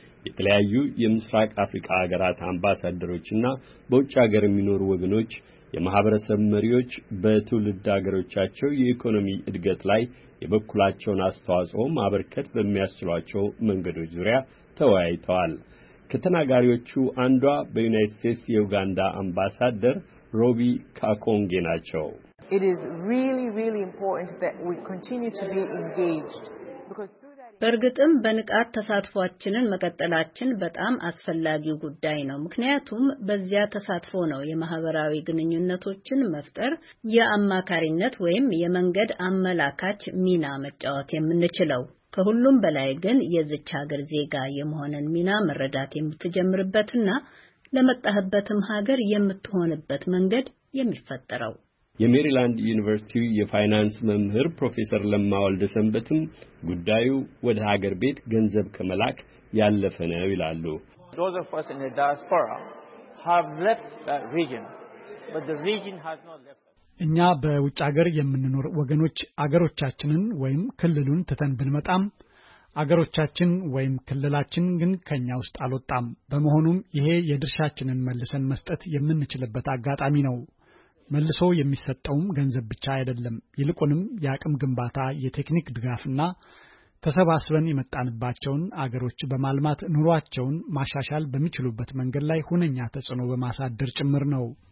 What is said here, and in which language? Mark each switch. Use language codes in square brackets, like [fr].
[am] የተለያዩ የምስራቅ አፍሪካ ሀገራት አምባሳደሮችና በውጭ ሀገር የሚኖሩ ወገኖች የማህበረሰብ መሪዎች በትውልድ ሀገሮቻቸው የኢኮኖሚ እድገት ላይ የበኩላቸውን አስተዋጽኦ ማበርከት በሚያስችሏቸው መንገዶች ዙሪያ ተወያይተዋል። ከተናጋሪዎቹ አንዷ በዩናይትድ ስቴትስ የኡጋንዳ አምባሳደር ሮቢ ካኮንጌ ናቸው። [en] It is really, really important that we continue to be engaged because [am] በርግጥም በንቃት ተሳትፎአችንን መቀጠላችን በጣም አስፈላጊው ጉዳይ ነው። ምክንያቱም በዚያ ተሳትፎ ነው የማህበራዊ ግንኙነቶችን መፍጠር፣ የአማካሪነት ወይም የመንገድ አመላካች ሚና መጫወት የምንችለው። ከሁሉም በላይ ግን የዚች ሀገር ዜጋ የመሆነን ሚና መረዳት የምትጀምርበትና ለመጣህበትም ሀገር የምትሆንበት መንገድ የሚፈጠረው። የሜሪላንድ ዩኒቨርሲቲ የፋይናንስ መምህር ፕሮፌሰር ለማ ወልደ ሰንበትም ጉዳዩ ወደ ሀገር ቤት ገንዘብ ከመላክ ያለፈ ነው ይላሉ። [en] Those of us in the diaspora have left that region, but the region has not left. [am] እኛ በውጭ ሀገር የምንኖር ወገኖች አገሮቻችንን ወይም ክልሉን ትተን ብንመጣም አገሮቻችን ወይም ክልላችን ግን ከኛ ውስጥ አልወጣም። በመሆኑም ይሄ የድርሻችንን መልሰን መስጠት የምንችልበት አጋጣሚ ነው። መልሶ የሚሰጠውም ገንዘብ ብቻ አይደለም፣ ይልቁንም ያቅም ግንባታ፣ የቴክኒክ ድጋፍና ተሰባስበን የመጣንባቸውን አገሮች በማልማት ኑሯቸውን ማሻሻል በሚችሉበት መንገድ ላይ ሁነኛ ተጽዕኖ በማሳደር ጭምር ነው።